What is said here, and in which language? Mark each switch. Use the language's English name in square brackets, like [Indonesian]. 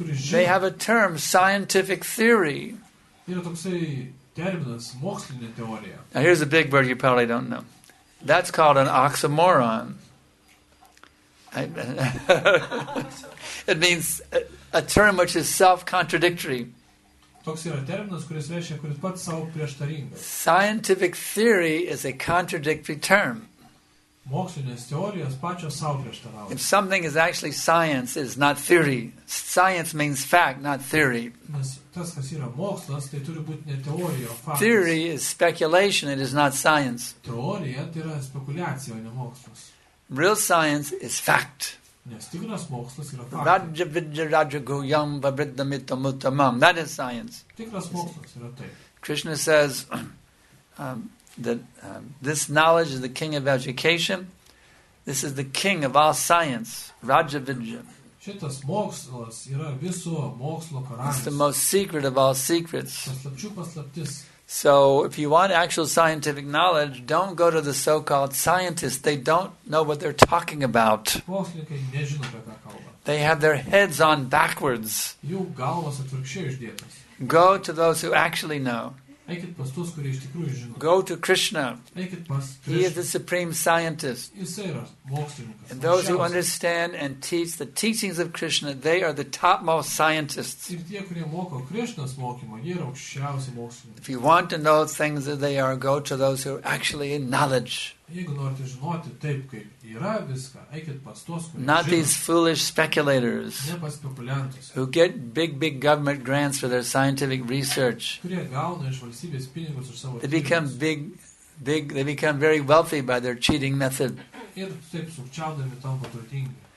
[English] They have a term, scientific theory. Now here's a big word you probably don't know. That's called an oxymoron. It means a term which is self-contradictory. [Lithuanian] Toks yra terminas, kuris reiškia, kuris pats savo prieštaringas. [English] Scientific theory is a contradictory term. [Lithuanian] Mokslinės teorijos pačios savo prieštaravo. [English] If something is actually science, it is not theory. Science means fact, not theory. [Lithuanian] Nes tas, kas yra mokslas, tai turi būti ne teorija, o faktas. [English] Theory is speculation, it is not science. [Lithuanian] Teorija tai yra spekuliacija, o ne mokslas. [English] Real science is fact. [Lithuanian] Nes tikras mokslas yra faktas. [Sanskrit] Raja vidya raja guyam vabridda mitta mutamam. [English] That is science. [Lithuanian] Tikras mokslas yra tai. [English] Krishna says, that this knowledge is the king of education. This is the king of all science, Raja Vidya. [Lithuanian] Šitas mokslas yra viso mokslo karalius. [English] It's the most secret of all secrets. [Lithuanian] Paslapčių paslaptis. [English] So if you want actual scientific knowledge, don't go to the so-called scientists. They don't know what they're talking about. [Lithuanian] Mokslininkai nežino, apie ką kalba. [English] They have their heads on backwards. [Lithuanian] Jų galvos atvirkščiai išdėtos. [English] Go to those who actually know. [Lithuanian] Eikit pas tos, kurie iš tikrųjų žino. [English] Go to Krishna. [Lithuanian] Eikit pas Krishna. [English] He is the supreme scientist. [Lithuanian] Jis yra mokslininkas. [English] And those who understand and teach the teachings of Krishna, they are the topmost scientists. [Lithuanian] Ir tie, kurie moko Krishnas mokymą, jie yra aukščiausi mokslininkai. [English] If you want to know things that they are, go to those who are actually in knowledge. [Lithuanian] Jeigu norite žinoti taip, kaip yra viską, eikit pas tos, kurie žino. [English] Not these foolish speculators. [Lithuanian] Ne pas spekuliantus. [English] Who get big, big government grants for their scientific research. [Lithuanian] Kurie gauna iš valstybės pinigus už savo tyrimus. [English] They become big, big, they become very wealthy by their cheating method. [Lithuanian] Ir taip sukčiaudami tampa turtingi.